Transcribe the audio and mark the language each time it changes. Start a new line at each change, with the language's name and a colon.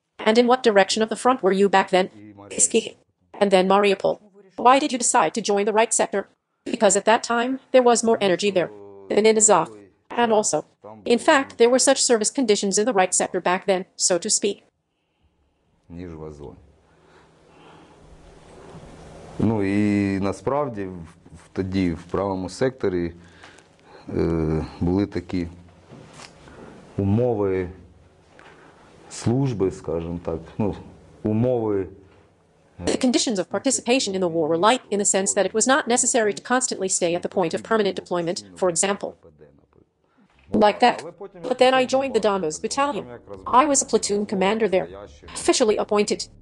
English: And in what direction of the front were you back then? Pisky. And then Mariupol. Why did you decide to join the right sector? Because at that time, there was more energy there than in Azov. And also, in fact, there were such service conditions in the right sector back then, so to speak.
Ukrainian: Ну і насправді тоді в правому секторі були такі умови служби, скажімо так, ну, умови.
English: The conditions of participation in the war were light in the sense that it was not necessary to constantly stay at the point of permanent deployment, for example. Like that. But then I joined the Donbas battalion. I was a platoon commander there, officially appointed.